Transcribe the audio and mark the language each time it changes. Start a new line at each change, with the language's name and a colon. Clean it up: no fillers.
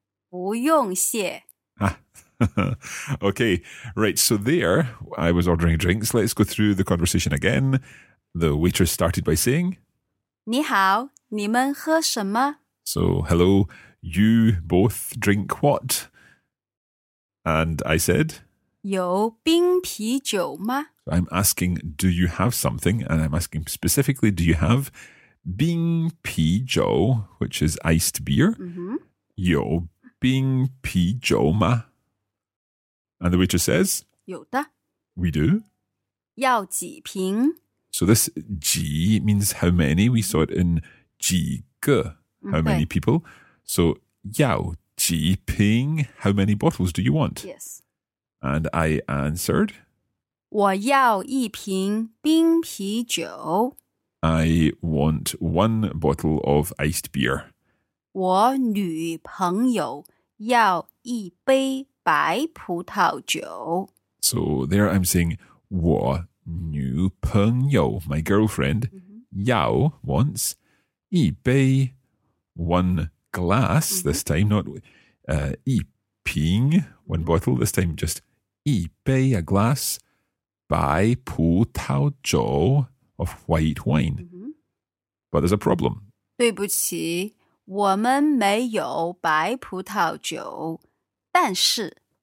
Chinese: 对不起,我们没有白葡萄酒,但是有红葡萄酒。好的,没问题,请给我女朋友一杯红葡萄酒。给你的冰啤酒和你的红葡萄酒。谢谢。不用谢。
English: Okay, right, so there, I was ordering drinks. Let's go through the conversation again. The waitress started by saying,
Chinese: 你好,你们喝什么?
English: So, hello, you both drink what? And I said,
Chinese: 有冰啤酒吗?
English: So I'm asking, do you have something? And I'm asking specifically, do you have 冰啤酒, which is iced beer? Mm-hmm.
Chinese: 有冰啤酒吗?
English: And the waitress says,
Chinese: 有的.
English: We do.
Chinese: 要几瓶?
English: So this 几 means how many. We saw it in 几个, how many people. So 要几瓶, how many bottles do you want? Yes. And I answered,
Chinese: 我要一瓶冰啤酒.
English: I want one bottle of iced beer.
Chinese: 我女朋友要一杯 白葡萄酒.
English: So there I'm saying 我女朋友, my girlfriend, 要, wants 一杯, one glass, this time not 一瓶, one bottle, this time just 一杯, a glass, 白葡萄酒, of white wine. But there's a problem.
Chinese: 对不起, 我们没有白葡萄酒, 但是